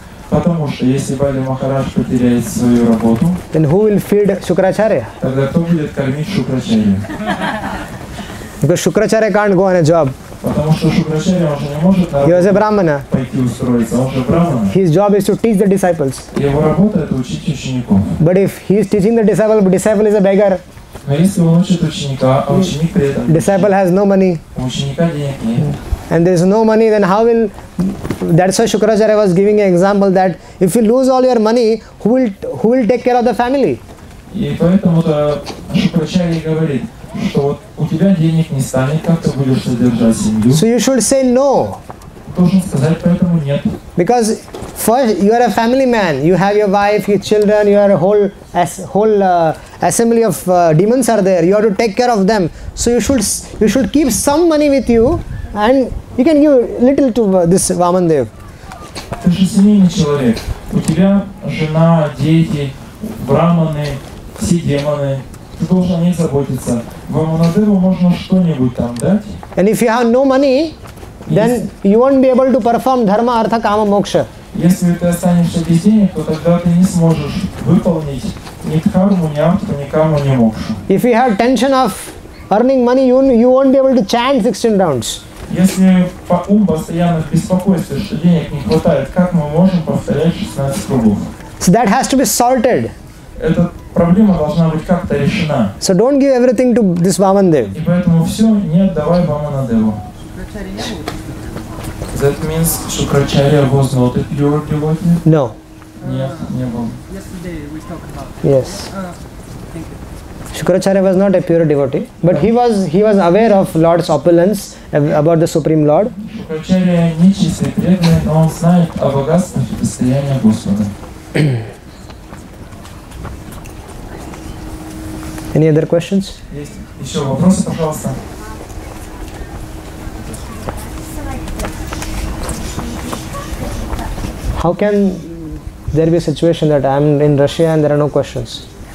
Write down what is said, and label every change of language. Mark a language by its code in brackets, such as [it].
[ru] потому что если Бали Махарадж потеряет свою работу, [en] then who will feed Shukracharya? [ru] Тогда кто будет кормить Shukracharya? [en] Because Shukracharya can't go on a job. [ru] Потому что Шукрачарья уже не может пойти устроиться, он же брахмана. [en] His job is to teach the disciples. [ru] Его работа это учить учеников. [en] But if he is teaching the disciple, but disciple is a beggar. [ru] Но если он учит ученика, а ученик при этом. [en] Disciple has no money. [ru] У ученика денег нет. [en] And there is no money, then how will? That's why Шукрачарья was giving an example that if you lose all your money, who will take care of the family? [ru] И поэтому то Шукрачарья говорит, что вот у тебя денег не станет, как ты будешь содержать семью? [en] So you should say no. [ru] Должен сказать поэтому нет. [en] Because First, you are a family man. You have your wife, your children, your whole assembly of demons are there. You have to take care of them. So you should keep some money with you, and you can give little to this Vamandev. [ru] Ты же семейный человек. У тебя жена, дети, браманы, все демоны. Ты должен о них заботиться. Вамандеву можно что-нибудь там дать? [en] And if you have no money, then you won't be able to perform dharma, artha, kama, moksha. [ru] Если ты останешься без денег, то тогда ты не сможешь выполнить ни дхарму, ни артху, ни каму, ни мокшу. [en] If you have tension of earning money, you won't be able to chant 16 rounds. [ru] Если по ум постоянно в беспокойстве, что денег не хватает, как мы можем повторять 16 кругов? [en] So that has to be sorted. [ru] Эта проблема должна быть как-то решена. [en] So don't give everything to this Vamandev. [ru] И поэтому все не отдавай Vamanadevu. [en] That means Shukracharya was not a pure devotee? No. Yesterday we talked about yes. Shukracharya was not a pure devotee, but he was aware of Lord's opulence about the Supreme Lord. [ru] Shukracharya не чистый преданный, но он знает о богатствах и состоянии Господа. [en] Any other questions? [ru] Есть еще вопросы, пожалуйста. [en] How can there be a situation that I am in Russia and there are no questions?